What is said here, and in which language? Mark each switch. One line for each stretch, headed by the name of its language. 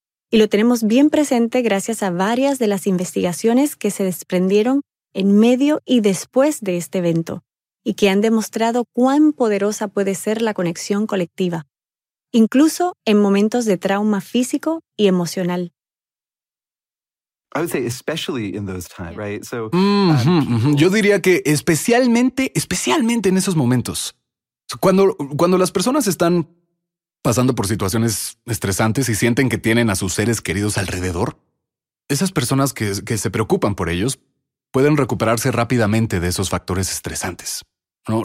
Spanish: Y lo tenemos bien presente gracias a varias de las investigaciones que se desprendieron en medio y después de este evento y que han demostrado cuán poderosa puede ser la conexión colectiva, incluso en momentos de trauma físico y emocional.
English: I would say especially in those times, right?
Spanish: So, yo diría que especialmente en esos momentos. Cuando las personas están pasando por situaciones estresantes y sienten que tienen a sus seres queridos alrededor, esas personas que se preocupan por ellos pueden recuperarse rápidamente de esos factores estresantes, ¿no?